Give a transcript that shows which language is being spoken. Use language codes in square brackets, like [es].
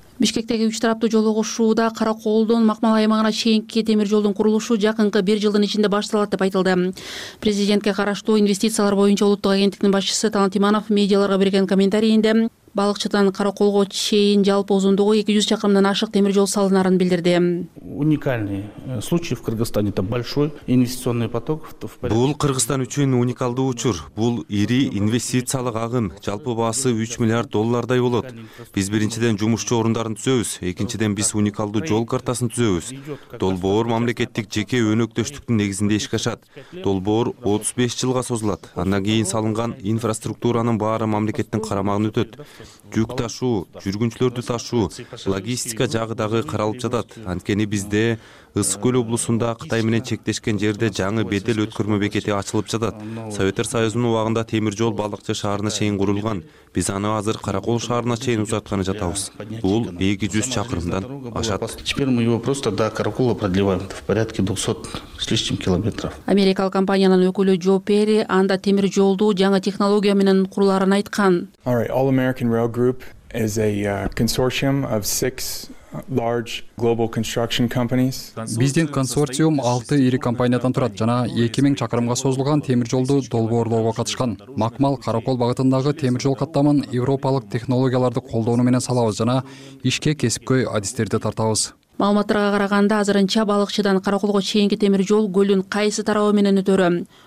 [ky] Бишкектеги үч тараптуу жол кошууда Каракоолдон Макмал аймагына чейинки темир жолдун курулушу жакынкы бир жылдын ичинде башталат деп айтылды. Президентке караштуу инвестициялар боюнча улуттук агенттиктин башчысы Талант Иманов медиаларга берген комментарийинде Балыкчыдан Каракоолго чейин жалпы узундугу 200 чакырымдан ашык темир жол салынарын билдирди. [ru] Уникальный случай в Кыргызстане, это большой инвестиционный поток. [ky] Бул Кыргызстан үчүн уникалдуу учур. Бул ири инвестициялык агым, жалпы баасы 3 миллиард доллардай болот. Биз биринчиден жумушчу орундарын түзөбүз, экинчиден биз уникалдуу жол картасын түзөбүз. Долбоор мамлекеттик жеке өнөктөштүктүн негизинде ишке ашат. Долбоор 35 жылга созулат. Андан кийин салынган инфраструктуранын баары мамлекеттин карамагына өтөт. Жүк ташуу, жүргүнчүлөрдү ташуу, логистика жагы дагы каралып жатат. Анткени бизде Ысык Көл облусунда Кытай менен чектешкен жерде жаңы бедел өткөрмө бекети ачылып жатат. Советтер Союзунун убагында темир жол Балыкчы шаарына чейин курулган. Биз аны азыр Каракол шаарына чейин узартканы жатабыз. Бул 200 чакырымдан ашат. [ru] Теперь мы его просто до Каракола продлеваем. В порядке 200 с лишним километров. [ky] Америкалык компаниянын өкүлү Джо Перри анда темир жолду жаңы технология менен куруларын айткан. [en] All American Rail Group is a consortium of 6 large global construction companies. [ky] Биздин консорциум 6 ири компаниядан турат жана 2000 чакырымга созулган темир жолду долбоорлоого катышкан. Макмал Каракол багытындагы темир жол каттамын европалык технологияларды колдонуу менен салабыз жана ишке кесипкөй адистерди тартабыз. Маалыматтарга караганда азырынча Балыкчыдан Караколго чейинки темир жол көлдүн кайсы тарабы менен өтөрү?